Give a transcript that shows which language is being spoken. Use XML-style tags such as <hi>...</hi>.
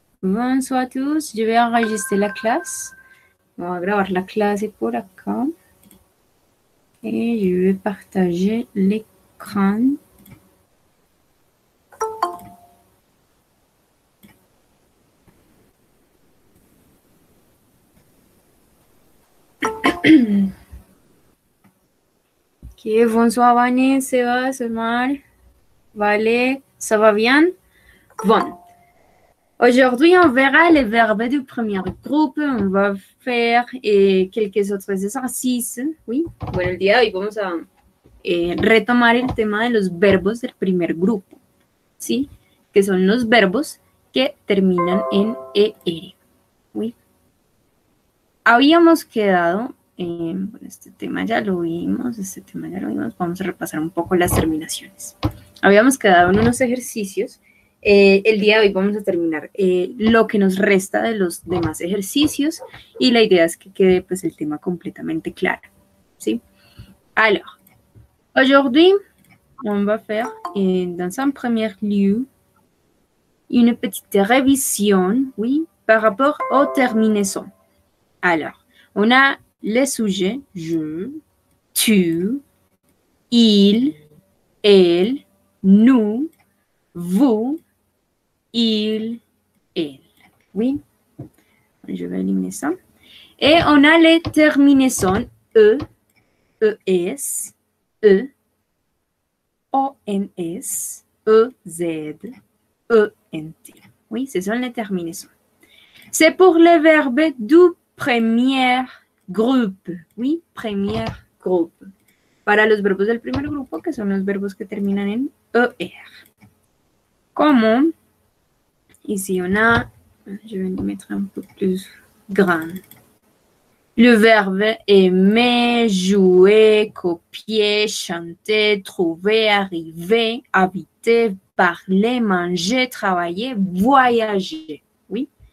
<fr>Bonsoir à tous, je vais enregistrer la classe. On va</fr> <es>grabar la clase por acá.</es> <fr>Et je vais partager l'écran. Okay, bonsoir Vanessa, Sebas, Omar, Vale, ça va bien? Bon. Aujourd'hui, on verra les verbes du premier groupe. On va faire et quelques autres exercices. Oui, bon dia. Et</fr> <es>vamos a retomar el tema de los verbos del primer grupo. ¿Sí? Que son los verbos que terminan en ER.</es> <fr>Oui.</fr> <es>Habíamos quedado en este tema, ya lo vimos. Este tema ya lo vimos. Vamos a repasar un poco las terminaciones. Habíamos quedado en unos ejercicios. El día de hoy vamos a terminar lo que nos resta de los demás ejercicios y la idea es que quede pues el tema completamente claro, ¿sí?</es> <fr>Alors, aujourd'hui, on va faire dans un premier lieu une petite révision, oui, par rapport aux terminaisons. Alors, on a les sujets, je, tu, il, elle, nous, vous, il, elle. Oui. Je vais éliminer ça. Et on a les terminaisons E, ES, E, ONS, EZ, ENT. Oui, ce sont les terminaisons. C'est pour les verbes du premier groupe. Oui, premier groupe.</fr> <es>Para los verbos del primer grupo, que son los verbos que terminan en ER.</es> <fr>Comment? Ici, on a, je vais le mettre un peu plus grand. Le verbe aimer, jouer, copier, chanter, trouver, arriver, habiter, parler, manger, travailler, voyager. Oui.</fr>